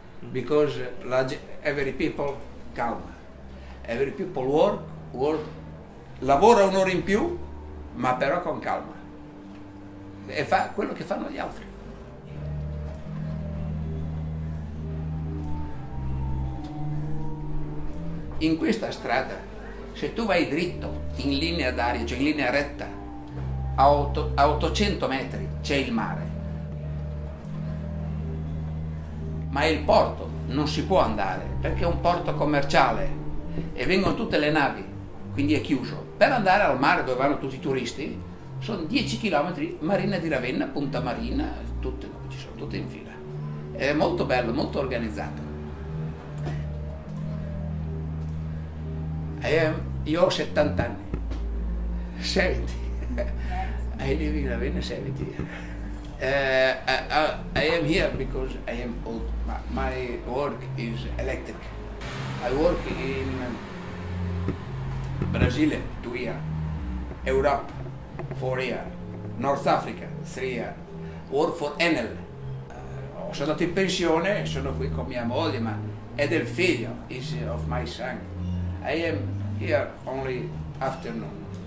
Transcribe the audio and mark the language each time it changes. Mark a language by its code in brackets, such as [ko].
[en] Because every people come. Every people work, [it] lavora un'ora in più, ma però con calma. E fa quello che fanno gli altri. In questa strada, se tu vai dritto, in linea d'aria, cioè in linea retta, a 800 metri c'è il mare. Ma il porto non si può andare, perché è un porto commerciale e vengono tutte le navi, quindi è chiuso. Per andare al mare dove vanno tutti i turisti, sono 10 km, Marina di Ravenna, Punta Marina, tutte, ci sono tutte in fila. È molto bello, molto organizzato. Io ho 70 anni, 70, [en] I live in Ravenna, [it] 70. [en] I am here because I am old. My work is electric. I work in Brazil 2 years, Europe 4 years, North Africa 3 years, work for Enel. [it] Sono andato in pensione, sono qui con mia moglie, ma è del figlio, [en] is of my son. I am here only afternoon.